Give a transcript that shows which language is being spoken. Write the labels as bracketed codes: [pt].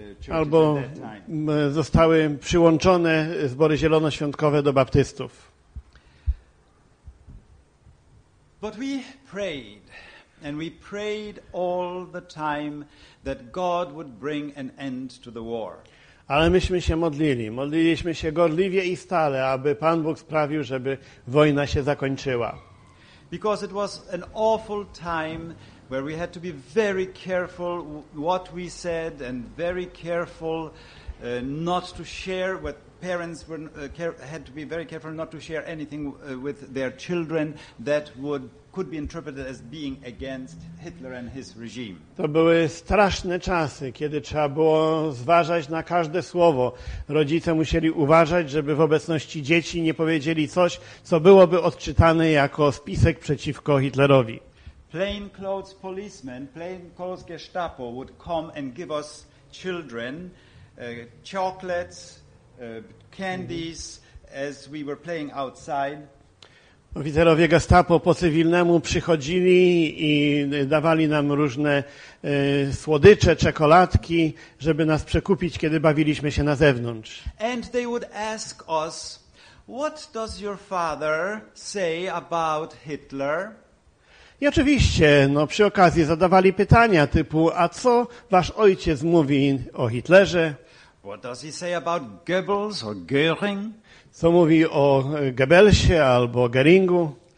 [pl] Albo zostały przyłączone zbory zielonoświątkowe do baptystów. [en] But we prayed. And we prayed all the time that God would bring an end to the war. [pl] Ale myśmy się modlili. Modliliśmy się gorliwie i stale, aby Pan Bóg sprawił, żeby wojna się zakończyła. [en] Because it was an awful time where we had to be very careful what we said and very careful not to share what parents were had to be very careful not to share anything with their children that would could be interpreted as being against Hitler and his regime. [pl] To były straszne czasy, kiedy trzeba było zważać na każde słowo. Rodzice musieli uważać, żeby w obecności dzieci nie powiedzieli coś, co byłoby odczytane jako spisek przeciwko Hitlerowi. [en] Plain clothes policemen, plain clothes Gestapo would come and give us children chocolates, candies as we were playing outside. [pl] Oficerowie Gestapo po cywilnemu przychodzili i dawali nam różne słodycze, czekoladki, żeby nas przekupić, kiedy bawiliśmy się na zewnątrz. [en] And they would ask us, what does your father say about Hitler? [pl] I oczywiście, no przy okazji zadawali pytania typu, a co wasz ojciec mówi o Hitlerze? [en] What does he say about Goebbels or Göring? [pl] Co mówi o Goebbelsie albo Göringu?